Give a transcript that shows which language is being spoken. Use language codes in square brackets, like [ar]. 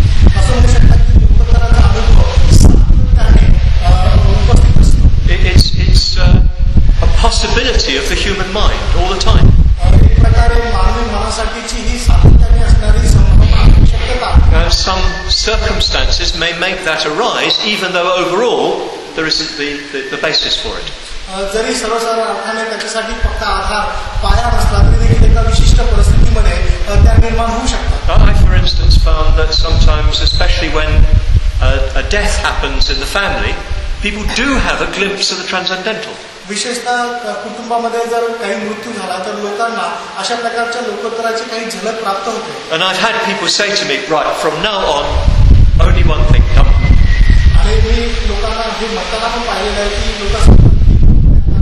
[en] It's a possibility of the human mind all the time. Some circumstances may make that arise, even though overall there isn't the basis for it. [mr] जरी सर्वसाधारण अर्थाने त्याच्यासाठी फक्त आधार पाया नसला तरी देखील एका विशिष्ट परिस्थितीमध्ये त्या निर्माण होऊ शकतात. [en] I, for instance, found that sometimes, especially when a death happens in the family, people do have a glimpse of the transcendental. [mr] विशेषतः कुटुंबामध्ये जर काही मृत्यू झाला तर लोकांना अशा प्रकारच्या लोकोत्तराची काही झलक प्राप्त होते. [en] And I've had people say to me, right, from now on, only one thing, dhamma. [mr] आणि मी लोकांना हे म्हणताना पण पाहिलेलं आहे की लोक